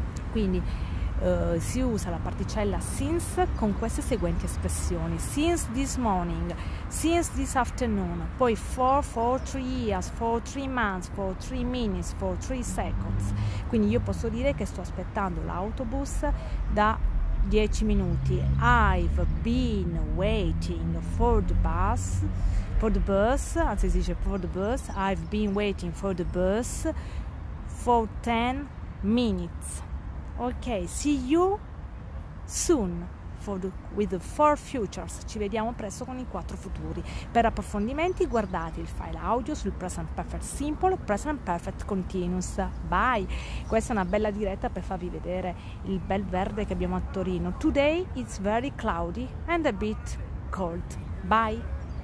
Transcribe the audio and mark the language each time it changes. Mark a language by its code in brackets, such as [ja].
[it] Quindi si usa la particella since con queste seguenti espressioni: [en] since this morning, since this afternoon, [it] poi [en] for 3 years, for 3 months, for 3 minutes, for 3 seconds. [it] Quindi io posso dire che sto aspettando l'autobus da 10 minuti. [en] I've been waiting for the bus. I've been waiting for the bus for 10 minutes. Ok, see you soon with the 4 futures. [it] Ci vediamo presto con i 4 futuri. Per approfondimenti guardate il file audio sul present perfect simple, present perfect continuous. Bye! Questa è una bella diretta per farvi vedere il bel verde che abbiamo a Torino. [en] Today it's very cloudy and a bit cold. Bye!